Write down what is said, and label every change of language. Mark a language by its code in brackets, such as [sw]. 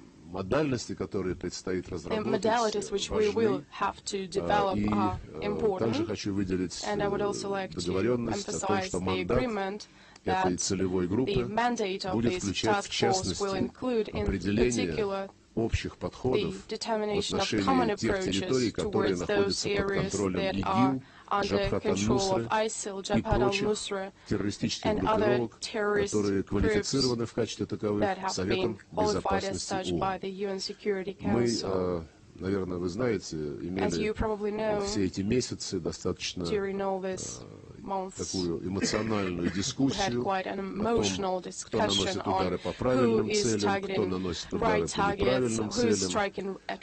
[ru] Модальности, которые предстоит разработать, важны, и также хочу выделить договоренность о том, что мандат этой целевой группы будет включать, в частности, определение общих подходов в отношении тех территорий, которые находятся под контролем ИГИЛ, [en] under control of ISIL, Jabhat al-Nusra, and other terrorist groups that have been qualified as such by the UN Security Council. [ru] Наверное, вы знаете, имели все эти месяцы достаточно такую эмоциональную дискуссию о том, кто наносит удары по правильным целям, кто наносит удары по неправильным целям.